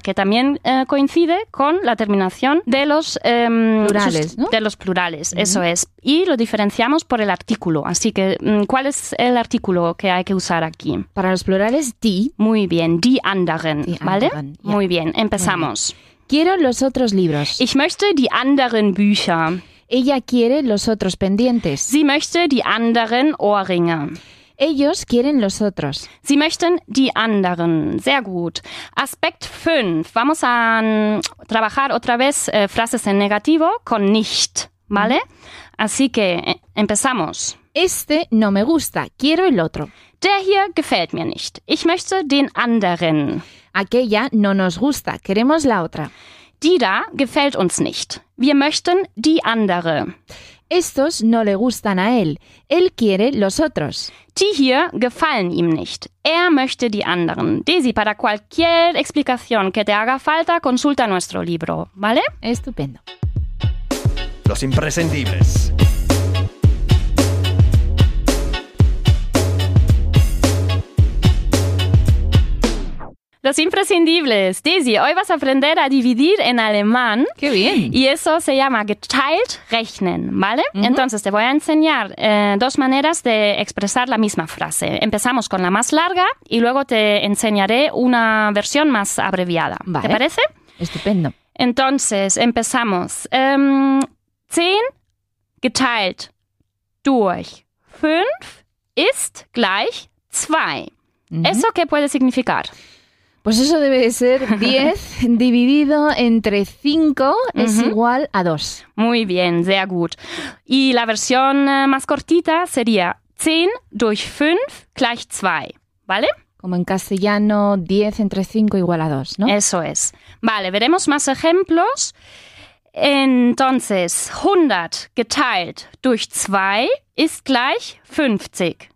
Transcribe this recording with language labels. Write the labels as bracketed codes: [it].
[es] Que también coincide con la terminación de los plurales, ¿no? De los plurales, eso es. Y lo diferenciamos por el artículo. Así que, ¿cuál es el artículo que hay que usar aquí? Para los plurales, die. Muy bien, [de] die anderen, [es] ¿vale? Anderen, yeah. Muy bien, empezamos. Quiero los otros libros. [de] Ich möchte die anderen Bücher. [es] Ella quiere los otros pendientes. [de] Sie möchte die anderen Ohrringe. [es] Ellos quieren los otros. [de] Sie möchten die anderen. Sehr gut. Aspekt 5. [es] Vamos a trabajar otra vez frases en negativo con nicht, ¿vale? Así que empezamos. Este no me gusta. Quiero el otro. [de] Der hier gefällt mir nicht. Ich möchte den anderen. [es] Aquella no nos gusta. Queremos la otra. [de] Die da gefällt uns nicht. Wir möchten die andere. [es] Estos no le gustan a él. Él quiere los otros. [de] Die hier gefallen ihm nicht. Er möchte die anderen. [es] Daisy, para cualquier explicación que te haga falta, consulta nuestro libro. ¿Vale? Estupendo. Los imprescindibles. Los imprescindibles. Daisy, hoy vas a aprender a dividir en alemán. ¡Qué bien! Y eso se llama [de] geteilt rechnen, [es] ¿vale? Uh-huh. Entonces, te voy a enseñar dos maneras de expresar la misma frase. Empezamos con la más larga y luego te enseñaré una versión más abreviada. Vale. ¿Te parece? Estupendo. Entonces, empezamos. [de] 10 geteilt durch 5 ist gleich 2. Uh-huh. [es] ¿Eso qué puede significar? Pues eso debe de ser 10 dividido entre 5 es igual a 2. Muy bien, [de] sehr gut. [es] Y la versión más cortita sería [de] 10 durch 5 gleich 2, [es] ¿vale? Como en castellano, 10 entre 5 igual a 2, ¿no? Eso es. Vale, veremos más ejemplos. Entonces, [de] 100 geteilt durch 2 ist gleich 50.